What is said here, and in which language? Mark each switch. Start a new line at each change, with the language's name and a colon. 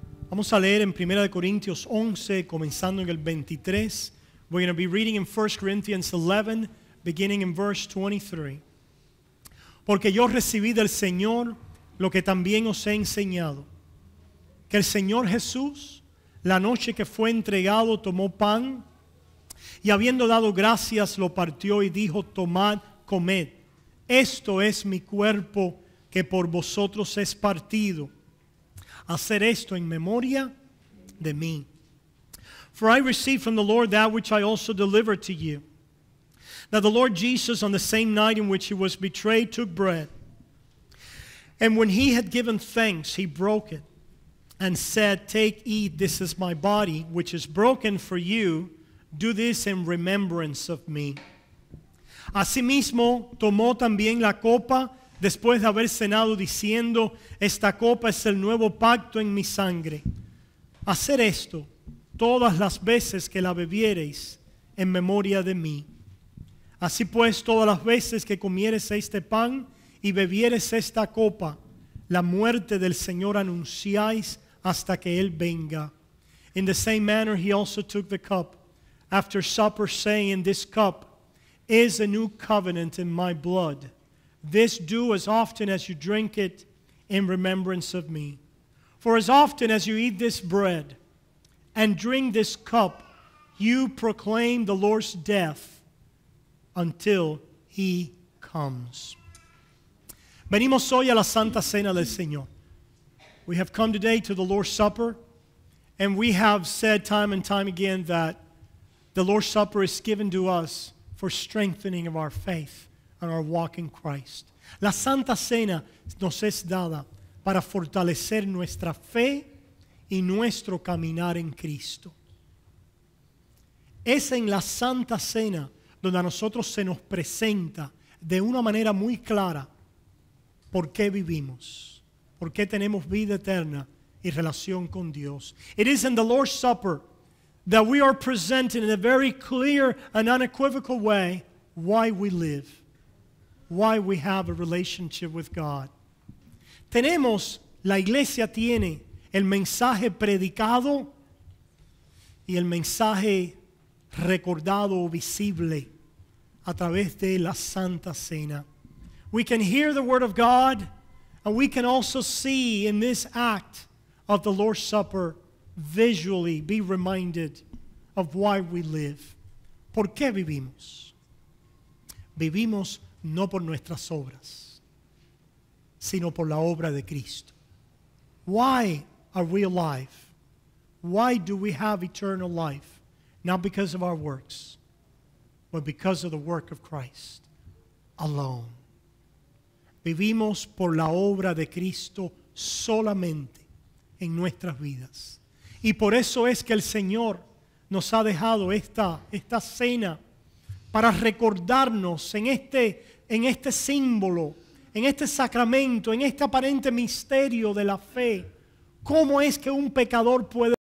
Spanish: Vamos a leer en 1 Corintios 11, comenzando en el 23.
English: We're going to be reading in 1 Corinthians 11, beginning in verse 23.
Spanish: Porque yo recibí del Señor lo que también os he enseñado. Que el Señor Jesús, la noche que fue entregado, tomó pan. Y habiendo dado gracias, lo partió y dijo, tomad, comed. Esto es mi cuerpo que por vosotros es partido. Hacer esto en memoria de mí.
English: For I received from the Lord that which I also delivered to you. That the Lord Jesus, on the same night in which he was betrayed, took bread. And when he had given thanks, he broke it and said, take, eat, this is my body, which is broken for you. Do this in remembrance of me.
Spanish: Asimismo, tomó también la copa después de haber cenado, diciendo, esta copa es el nuevo pacto en mi sangre. Hacer esto todas las veces que la bebiereis en memoria de mí. Así pues, todas las veces que comieres este pan y bebieres esta copa, la muerte del Señor anunciáis hasta que Él venga.
English: In the same manner, he also took the cup after supper, saying, this cup is a new covenant in my blood. This do as often as you drink it in remembrance of me. For as often as you eat this bread and drink this cup, you proclaim the Lord's death until he comes.
Spanish: Venimos hoy a la Santa Cena del Señor.
English: We have come today to the Lord's Supper, and we have said time and time again that the Lord's Supper is given to us for strengthening of our faith and our walk in Christ.
Spanish: La Santa Cena nos es dada para fortalecer nuestra fe y nuestro caminar en Cristo. Es en la Santa Cena donde a nosotros se nos presenta de una manera muy clara por qué vivimos, por qué tenemos vida eterna y relación con Dios.
English: It is in the Lord's Supper that we are presented in a very clear and unequivocal way why we live, why we have a relationship with God.
Spanish: Tenemos, la iglesia tiene el mensaje predicado y el mensaje recordado o visible a través de la Santa Cena.
English: We can hear the word of God, and we can also see in this act of the Lord's Supper visually be reminded of why we live.
Spanish: ¿Por qué vivimos? Vivimos no por nuestras obras, sino por la obra de Cristo.
English: Why are we alive? Why do we have eternal life? Not because of our works, but because of the work of Christ alone.
Spanish: Vivimos por la obra de Cristo solamente en nuestras vidas. Y por eso es que el Señor nos ha dejado esta cena para recordarnos en este símbolo, en este sacramento, en este aparente misterio de la fe, cómo es que un pecador puede